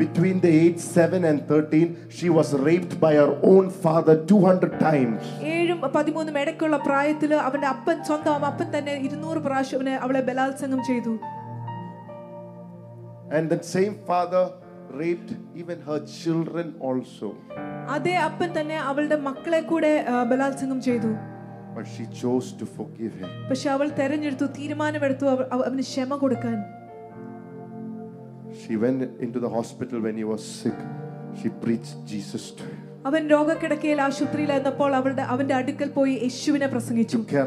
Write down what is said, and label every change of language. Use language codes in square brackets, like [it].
[en] Between the age 7 and 13 she was raped by her own father 200 times. [ml] 7 13 ഇടയ്ക്കുള്ള പ്രായത്തിൽ അവന്റെ അപ്പൻ സ്വന്തം അപ്പൻ തന്നെ 200 പ്രാവശ്യമേ അവളെ ബലാത്സംഗം ചെയ്തു. [en] And that same father raped even her children also. [ml] അതേ അപ്പൻ തന്നെ അവളുടെ മക്കളെ കൂടെ ബലാത്സംഗം ചെയ്തു. [en] But she chose to forgive him. [ml] പക്ഷേ അവൾ തിരഞ്ഞെടുത്തു തീരുമാനമെടുത്തു അവന് ക്ഷമ കൊടുക്കാൻ. [en] She went into the hospital when he was sick. She preached Jesus to him. [ml] അവൻ രോഗക്കിടക്കയിൽ ആശുപത്രിയിൽ ആയിരുന്നപ്പോൾ അവന്റെ അടുക്കൽ പോയി യേശുവിനെ പ്രസംഗിച്ചു